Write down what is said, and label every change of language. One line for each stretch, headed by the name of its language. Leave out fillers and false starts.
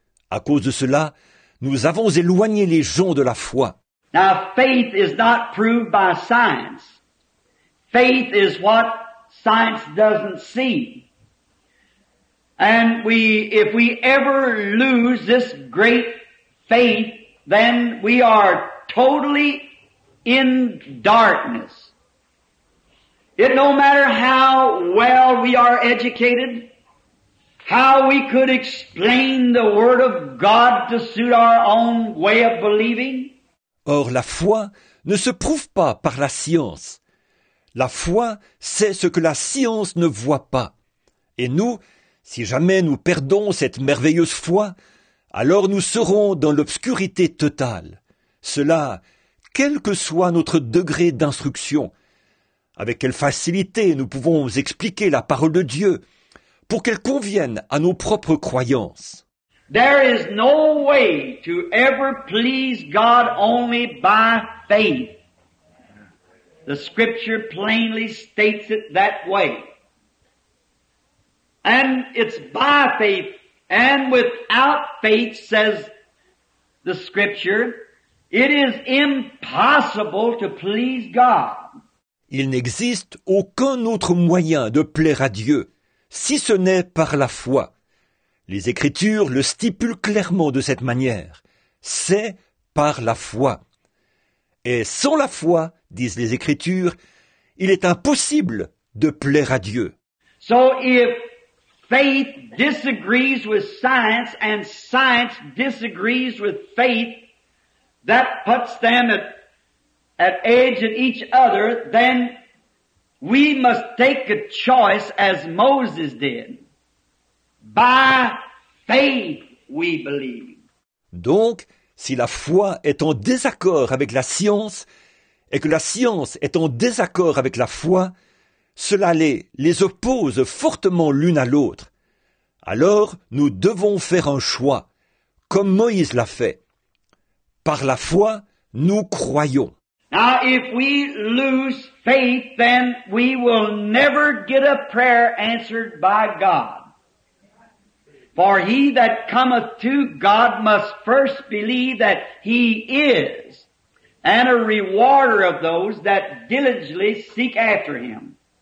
French: À cause de cela, nous avons éloigné les gens de la foi.
English: Now, faith is not proved by science. Faith is what science doesn't see. And if we ever lose this great faith, then we are totally in darkness. It no matter how well we are educated, how we could explain the Word of God to suit our own way of believing.
French: Or la foi ne se prouve pas par la science. La foi, c'est ce que la science ne voit pas. Et nous, si jamais nous perdons cette merveilleuse foi, alors nous serons dans l'obscurité totale. Cela, quel que soit notre degré d'instruction. Avec quelle facilité nous pouvons expliquer la parole de Dieu pour qu'elle convienne à nos propres croyances.
English: There is no way to ever please God only by faith. The scripture plainly states it that way. And it's by faith and without faith, says the scripture, it is impossible to please God.
French: Il n'existe aucun autre moyen de plaire à Dieu, si ce n'est par la foi. Les Écritures le stipulent clairement de cette manière. C'est par la foi. Et sans la foi, disent les Écritures, il est impossible de plaire à Dieu.
English: So if faith disagrees with science and science disagrees with faith, that puts them at age at each other, then we must take a choice as Moses did. By faith we believe.
French: Donc, si la foi est en désaccord avec la science, et que la science est en désaccord avec la foi, cela les oppose fortement l'une à l'autre. Alors, nous devons faire un choix, comme Moïse l'a fait. Par la foi, nous croyons.
English: Now, if we lose faith, then we will never get a prayer answered by God. For he that cometh to God must first believe that he is, and a rewarder of those that diligently seek after him.